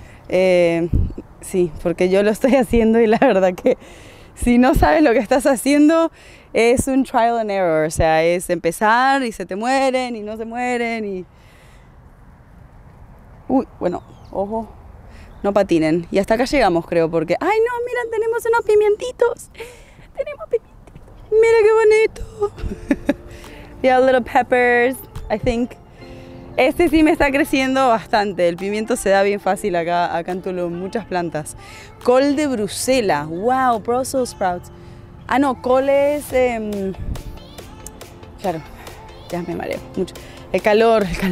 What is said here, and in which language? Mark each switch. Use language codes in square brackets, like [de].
[es] Sí, porque yo lo estoy haciendo y la verdad que si no sabes lo que estás haciendo, es un trial and error. O sea, es empezar y se te mueren y no se mueren y... Uy, bueno, ojo, no patinen. Y hasta acá llegamos, creo, porque... ¡Ay, no! ¡Miren, tenemos unos pimientitos! ¡Tenemos pimientitos! ¡Mira qué bonito! [en] We have little peppers, I think. [es] Este sí me está creciendo bastante. El pimiento se da bien fácil acá en Tulum. Muchas plantas. Col de Bruselas. [en] Wow, Brussels sprouts. [es] Ah, no, col es... claro, ya me mareo mucho. El calor.